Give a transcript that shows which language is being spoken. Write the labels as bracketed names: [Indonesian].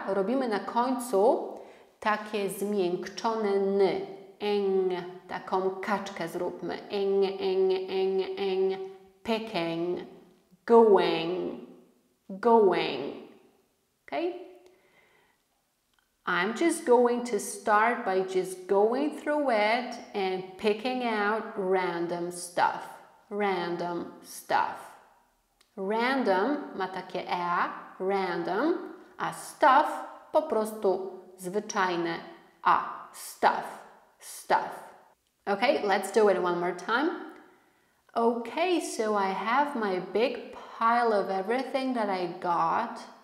[Polish] Robimy na końcu takie zmiękczone n, ing, taką kaczkę zróbmy, [English] ing, ing, ing, ing, picking, going, going, okay? I'm just going to start by just going through it and picking out random stuff. Random stuff. [Polish] Random ma takie e, random, a stuff po prostu zwyczajne a. [English] Stuff, stuff. Okay, let's do it one more time. Okay, so I have my big pile of everything that I got.